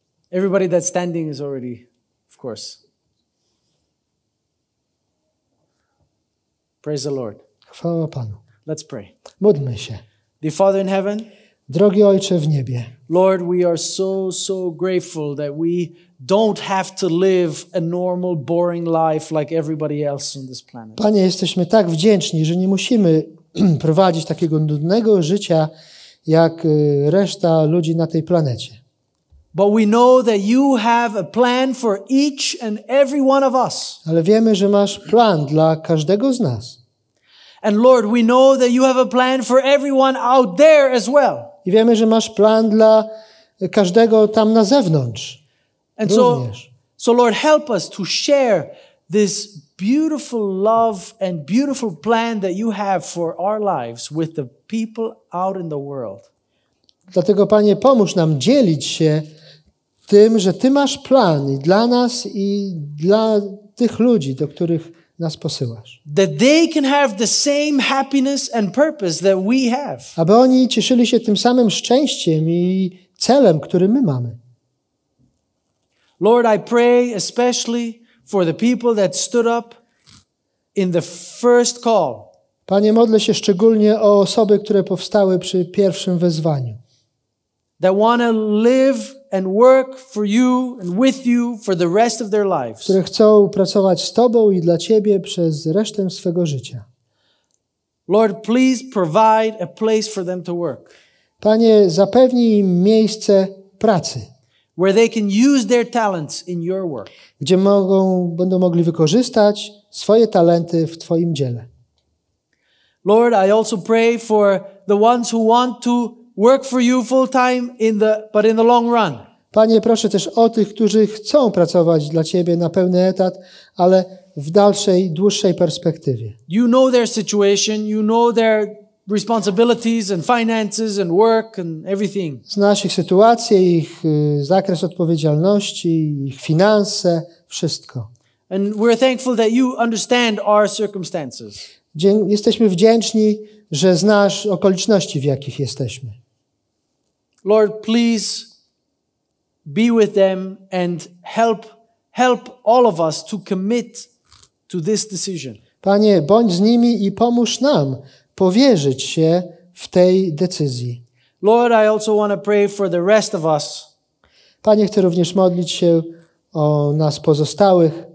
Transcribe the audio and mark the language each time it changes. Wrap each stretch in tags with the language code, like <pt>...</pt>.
<en>Everybody that's standing is already, of course. Praise the Lord.</en> <pl>Chwała Panu.</pl> <en>Let's pray.</en> <pl>Módlmy się.</pl> <en>The Father in heaven.</en> <pl>Drogi Ojcze w niebie.</pl> <en>Lord, we are so grateful that we don't have to live a normal, boring life like everybody else on this planet.</en> <pl>Panie, jesteśmy tak wdzięczni, że nie musimy prowadzić takiego nudnego życia jak reszta ludzi na tej planecie.</pl> <en>But we know that you have a plan for each and every one of us.</en> <pl>Ale wiemy, że masz plan dla każdego z nas.</pl> <en>And Lord, we know that you have a plan for everyone out there as well.</en> <pl>I wiemy, że masz plan dla każdego tam na zewnątrz.</pl> <en>And</en> <pl>również.</pl> <en>So Lord, help us to share this beautiful love and beautiful plan that you have for our lives with the people out in the world.</en> <pl>Dlatego, Panie, pomóż nam dzielić się tym, że Ty masz plan i dla nas, i dla tych ludzi, do których nas posyłasz.</pl> <en>That they can have the same happiness and purpose that we have.</en> <pl>Aby oni cieszyli się tym samym szczęściem i celem, który my mamy.</pl> <en>Lord, I pray especially for the people that stood up in the first call.</en> <pl>Panie, modlę się szczególnie o osoby, które powstały przy pierwszym wezwaniu.</pl> <en>That want to live and work for you and with you for the rest of their lives.</en> <pl>Które chcą pracować z Tobą i dla Ciebie przez resztę swego życia.</pl> <en>Lord, please provide a place for them to work.</en> <pl>Panie, zapewnij im miejsce pracy.</pl> <en>Where they can use their talents in your work.</en> <pl>Gdzie będą mogli wykorzystać swoje talenty w Twoim dziele.</pl> <en>Lord, I also pray for the ones who want to work for you full time in the long run.</en> <pl>Panie, proszę też o tych, którzy chcą pracować dla Ciebie na pełny etat, ale w dalszej, dłuższej perspektywie.</pl> <en>You know their situation, you know their responsibilities and finances and work and everything.</en> <pl>Znasz ich sytuację, ich zakres odpowiedzialności, ich finanse, wszystko.</pl> <en>And we're thankful that you understand our circumstances.</en> <pl>Jesteśmy wdzięczni, że znasz okoliczności, w jakich jesteśmy.</pl> <en>Lord, please be with them and help all of us to commit to this decision.</en> <pl>Panie, bądź z nimi i pomóż nam powierzyć się w tej decyzji.</pl> <en>Lord, I also want to pray for the rest of us.</en> <pl>Panie, chcę również modlić się o nas pozostałych.</pl>